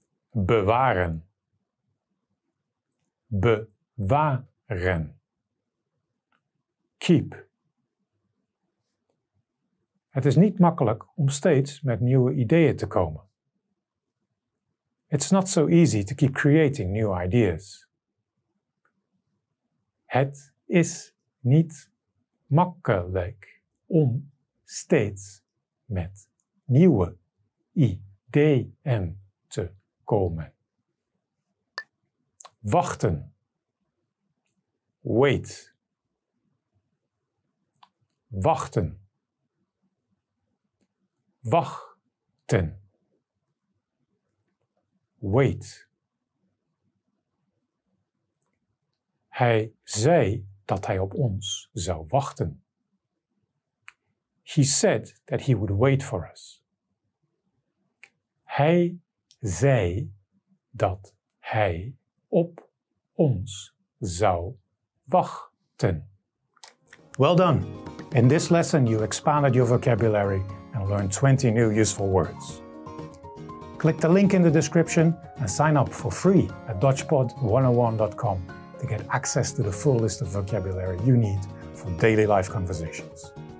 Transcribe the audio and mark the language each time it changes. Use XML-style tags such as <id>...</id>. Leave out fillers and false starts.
<nl>Bewaren. Bewaren. Keep. Het is niet makkelijk om steeds met nieuwe ideeën te komen.</nl> <en>It's not so easy to keep creating new ideas.</en> <nl>Het is niet makkelijk om steeds met nieuwe ideeën te komen. Wachten. Wait. Wachten. Wachten.</nl> <en>Wait.</en> <nl>Hij zei dat hij op ons zou wachten.</nl> <en>He said that he would wait for us.</en> <nl>Hij zei dat hij op ons zou wachten.</nl> <en>Well done. In this lesson you expanded your vocabulary and learned 20 new useful words. Click the link in the description and sign up for free at DutchPod101.com to get access to the full list of vocabulary you need for daily life conversations.</en>